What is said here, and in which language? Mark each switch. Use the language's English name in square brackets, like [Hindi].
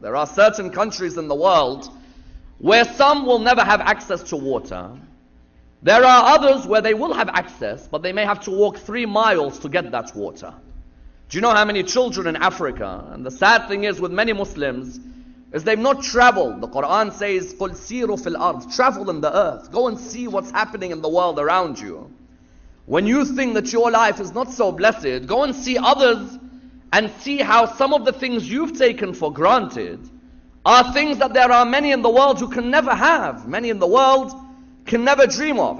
[English] There are certain countries in the world where some will never have access to water. There are others where they will have access, but they may have to walk 3 miles to get that water. Do you know how many children in Africa? And the sad thing is with many Muslims, is they've not traveled. The Quran says, [Arabic] قُلْ سِيرُوا فِي الْأَرْضِ. [English] Travel in the earth. Go and see what's happening in the world around you. When you think that your life is not so blessed, go and see others and see how some of the things you've taken for granted are things that there are many in the world who can never have, many in the world can never dream of.